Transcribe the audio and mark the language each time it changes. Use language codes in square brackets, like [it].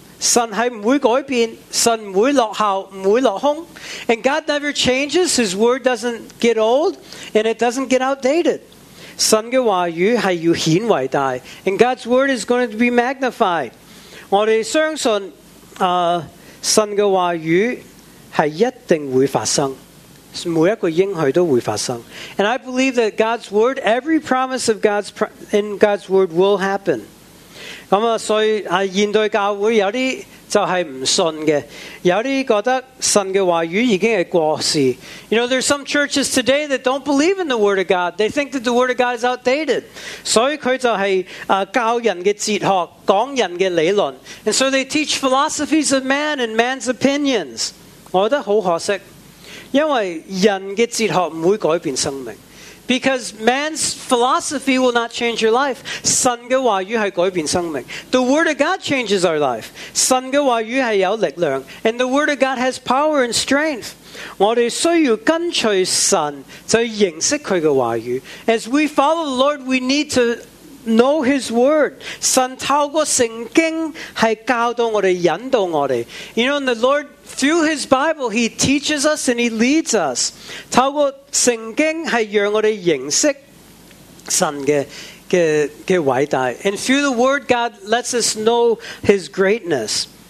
[zh] 神是不会改变, 神不会落后, 不会落空, [en] and God never changes. His word doesn't get old, and it doesn't get outdated. [zh] 神的话语是要显伟大, [en] and God's word is going to be magnified. [zh] 我们相信, 神的话语是一定会发生, 每一个应许都会发生, [en] and I believe that God's word, every promise of God's in God's word will happen. [zh] 所以现代教会有些就是不信的，有些觉得神的话语已经是过时。 [en] You know, there's some churches today that don't believe in the Word of God. They think that the Word of God is outdated. [zh] 所以他就是教人的哲学，讲人的理论。 [en] And so they teach philosophies of man and man's opinions. [zh] 我觉得很可惜。因为人的哲学不会改变生命。 [en] Because man's philosophy will not change your life. [zh] 神的话语是改变生命。 [en] The word of God changes our life. [zh] 神的话语是有力量。 [en] And the word of God has power and strength. [zh] 我们需要跟随神就认识祂的话语。 [en] As we follow the Lord, we need to know His word. [zh] 神透过圣经是教导我们引导我们。 [en] You know, the Lord... Through His Bible, He teaches us and He leads us. 透过圣经是让我们认识神的伟大。 And through the Word, God lets us know His greatness.